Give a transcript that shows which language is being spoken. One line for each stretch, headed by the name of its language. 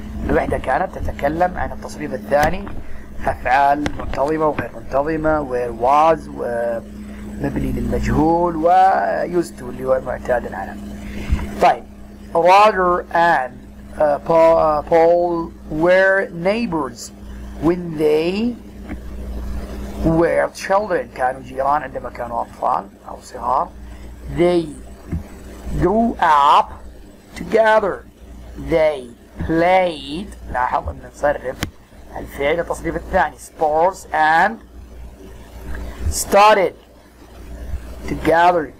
Arabic: الوحدة كانت تتكلم عن التصريف الثاني، أفعال منتظمة وغير منتظمة، وير واز ومبني للمجهول، ويوز تو اللي هو المعتاد العالم.
English: طيب Roger and Paul were neighbors when they were children.
Arabic: كانوا جيران عندما كانوا أطفال أو صغار.
English: They grew up together. They played.
Arabic: لاحظ أن نصرف الفعل التصريف الثاني.
English: Sports and started together.